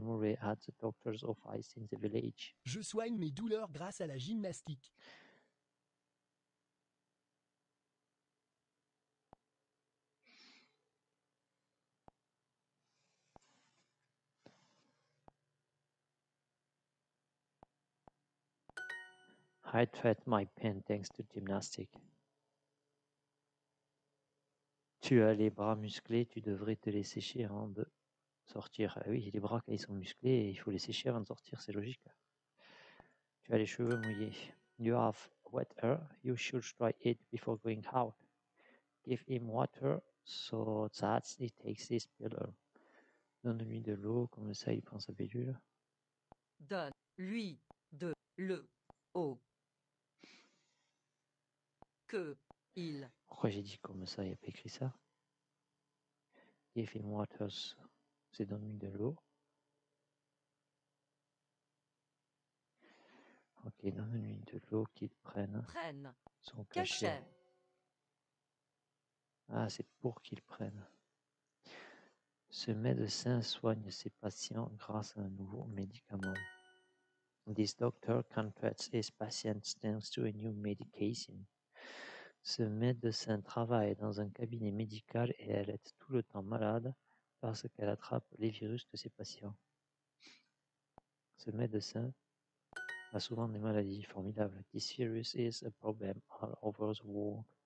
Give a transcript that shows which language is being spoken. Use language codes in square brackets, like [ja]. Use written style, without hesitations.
[en] Murray at the doctor's office in the village. [fr] Je soigne mes douleurs grâce à la gymnastique. [en] I treat my pain thanks to gymnastics. [fr] Tu as les bras musclés, tu devrais te les sécher avant de sortir. Oui, les bras, quand ils sont musclés, il faut les sécher avant de sortir, c'est logique. Tu as les cheveux mouillés. [en] You have wet hair, you should dry it before going out. Give him water so that he takes his pillow. [fr] Donne-lui de l'eau, comme ça il prend sa pilule. Donne-lui de l'eau. Que il. Pourquoi j'ai dit comme ça, il n'y a pas écrit ça. [en] Give him water, [fr] c'est donne-lui de l'eau. Ok, donne-lui de l'eau qu'il prenne son cachet. Ah, c'est pour qu'il prenne. Ce médecin soigne ses patients grâce à un nouveau médicament. [en] This doctor can treat his patients thanks to a new medication. [fr] Ce médecin travaille dans un cabinet médical et elle est tout le temps malade parce qu'elle attrape les virus de ses patients. Ce médecin a souvent des maladies formidables. [en] This virus is a problem all over the world.